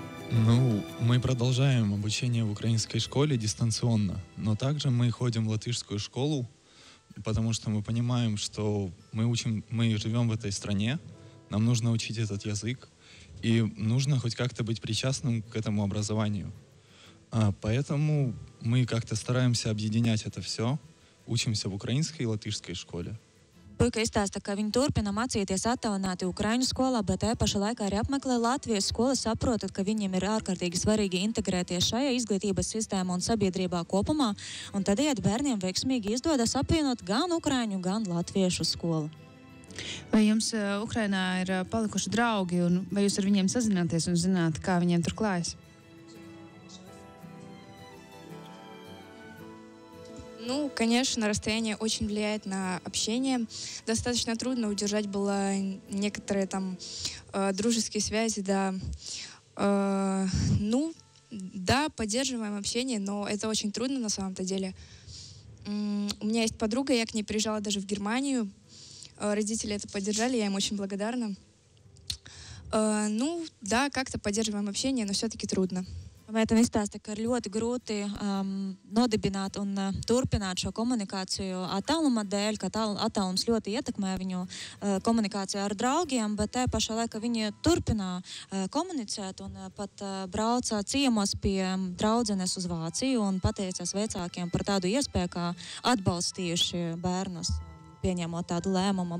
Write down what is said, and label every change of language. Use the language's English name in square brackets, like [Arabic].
[Russian] Ну, мы продолжаем обучение в украинской школе дистанционно, но также мы ходим в латышскую школу, потому что мы понимаем, что мы живем в этой стране, нам нужно учить этот язык, и нужно хоть как-то быть причастным к этому образованию. Поэтому мы как-то стараемся объединять это все, учимся в украинской и латышской школе. [Latvian] Puika izstāsta, ka viņi turpina mācīties attālināti Ukraiņu skolā, bet te pašā laikā arī apmeklē Latvijas skolu, saprotot, ka viņiem ir ārkārtīgi svarīgi integrēties šajā izglītības sistēmā un sabiedrībā kopumā, un tad iet bērniem veiksmīgi izdodas apvienot gan Ukraiņu, gan Latviešu skolu. Vai jums Ukrainā ir palikuši draugi un vai jūs ar viņiem sazināties un zināt, kā viņiem tur klājas? [Russian] Ну, конечно, расстояние очень влияет на общение. Достаточно трудно удержать было некоторые там дружеские связи, да. Ну, да, поддерживаем общение, но это очень трудно на самом-то деле. У меня есть подруга, я к ней приезжала даже в Германию. Родители это поддержали, я им очень благодарна. Ну, да, как-то поддерживаем общение, но все-таки трудно. [Latvian] Vai tev izstāsta, ka ir ļoti grūti nodibināt un turpināt šo komunikāciju attāluma dēļ, ka attālums ļoti ietekmē viņu komunikāciju ar draugiem, bet te pašā laikā viņi turpinā komunicēt un pat brauc ciemos pie draudzenes uz Vāciju un pateicās vecākiem par tādu iespēju, kā atbalstījuši bērnus pieņemot tādu lēmumu.